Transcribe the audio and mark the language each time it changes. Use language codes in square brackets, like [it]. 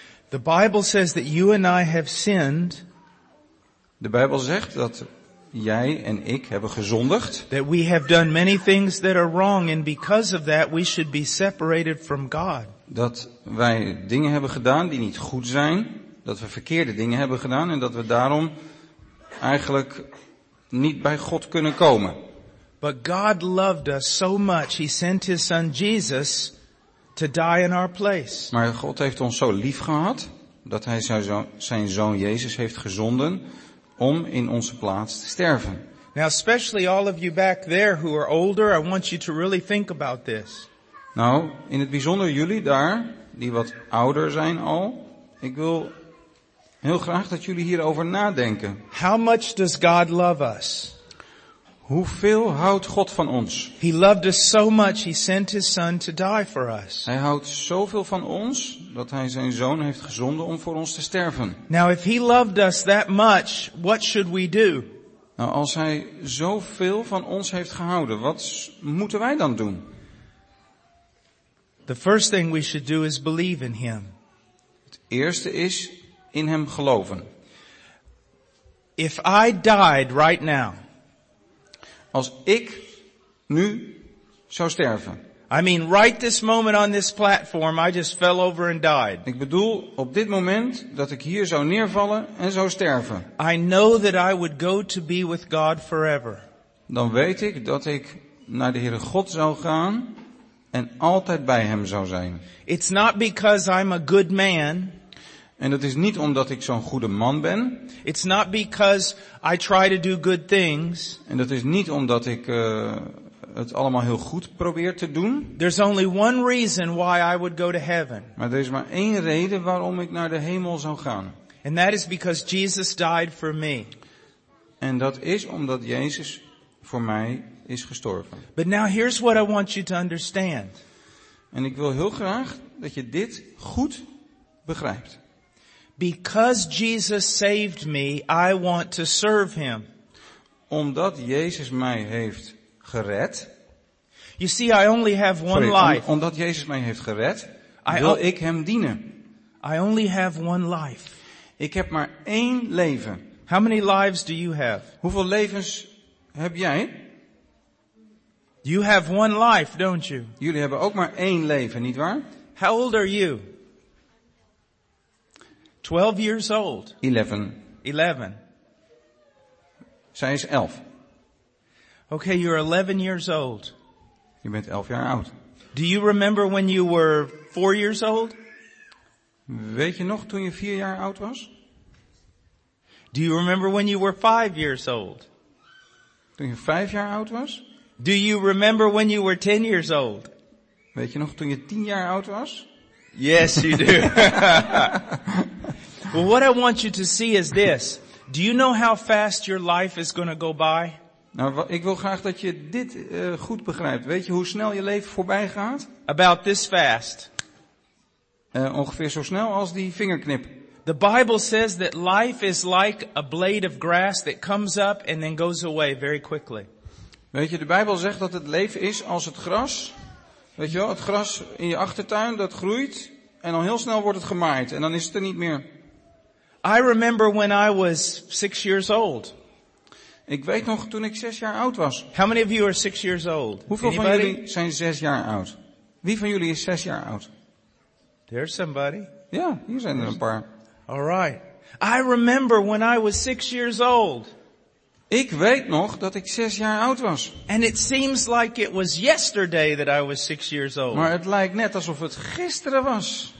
[en] The Bible says that you and I have sinned. [nl] De Bijbel zegt dat jij en ik hebben gezondigd. [en] That we have done many things that are wrong, and because of that we should be separated from God. [nl] Dat wij dingen hebben gedaan die niet goed zijn, dat we verkeerde dingen hebben gedaan en dat we daarom eigenlijk niet bij God kunnen komen. [en] But God loved us so much, he sent his son Jesus to die in our place. [nl] Maar God heeft ons zo lief gehad dat hij zijn zoon Jezus heeft gezonden om in onze plaats te sterven. [en] Now, especially all of you back there who are older, I want you to really think about this. [nl] Nou, in het bijzonder jullie daar die wat ouder zijn al, ik wil heel graag dat jullie hierover nadenken. [en] How much does God love us? [nl] Hoeveel houdt God van ons? [en] He loved us so much, he sent his son to die for us. [nl] Hij houdt zoveel van ons dat hij zijn zoon heeft gezonden om voor ons te sterven. [en] Now if he loved us that much, what should we do? [nl] Nou, als hij zoveel van ons heeft gehouden, wat moeten wij dan doen? [en] The first thing we should do is believe in him. [nl] Het eerste is in hem geloven. [en] If I died right now, [nl] als ik nu zou sterven. [en] I mean, right this moment on this platform, I just fell over and died. [nl] Ik bedoel, op dit moment dat ik hier zou neervallen en zou sterven. [en] I know that I would go to be with God forever. [nl] Dan weet ik dat ik naar de Heere God zou gaan en altijd bij hem zou zijn. [en] It's not because I'm a good man. [nl] En dat is niet omdat ik zo'n goede man ben. [en] It's not because I try to do good things. [nl] En dat is niet omdat ik het allemaal heel goed probeer te doen. [en] There's only one reason why I would go to heaven. [nl] Maar er is maar één reden waarom ik naar de hemel zou gaan. [en] And that is because Jesus died for me. [nl] En dat is omdat Jezus voor mij is gestorven. [en] But now here's what I want you to understand. [nl] En ik wil heel graag dat je dit goed begrijpt. [en] Because Jesus saved me, I want to serve him. [nl] Omdat Jezus mij heeft gered. [en] You see, I only have one life. [nl] Omdat Jezus mij heeft gered, wil ik hem dienen. [en] I only have one life. [nl] Ik heb maar één leven. [en] How many lives do you have? [nl] Hoeveel levens heb jij? [en] You have one life, don't you? [nl] Jullie hebben ook maar één leven, niet waar? [en] How old are you? 12 years old. [nl] 11. Zij is 11. [en] Okay, you're 11 years old. [nl] Je bent 11 jaar oud. [en] Do you remember when you were 4 years old? [nl] Weet je nog toen je 4 jaar oud was? [en] Do you remember when you were 5 years old? [nl] Toen je 5 jaar oud was? [en] Do you remember when you were 10 years old? [nl] Weet je nog toen je 10 jaar oud was? [en] Yes, you do. Well, what I want you to see is this. Do you know how fast your life is going to go by? [nl] Nou, ik wil graag dat je dit goed begrijpt. Weet je hoe snel je leven voorbij gaat? [en] About this fast. [nl] Ongeveer zo snel als die vingerknip. [en] The Bible says that life is like a blade of grass that comes up and then goes away very quickly. [nl] Weet je, de Bijbel zegt dat het leven is als het gras. Weet je wel, het gras in je achtertuin dat groeit en dan heel snel wordt het gemaaid en dan is het er niet meer. [en] I remember when I was 6 years old. [nl] Ik weet nog toen ik 6 jaar oud was. [en] How many of you are 6 years old? [nl] Hoeveel van jullie zijn 6 jaar oud? Wie van jullie is 6 jaar oud? [en] There's somebody. [nl] Ja, hier zijn er een paar. [en] All right. I remember when I was 6 years old. [nl] Ik weet nog dat ik 6 jaar oud was. [en] And it seems like it was yesterday that I was 6 years old. [nl] Maar het lijkt net alsof het gisteren was.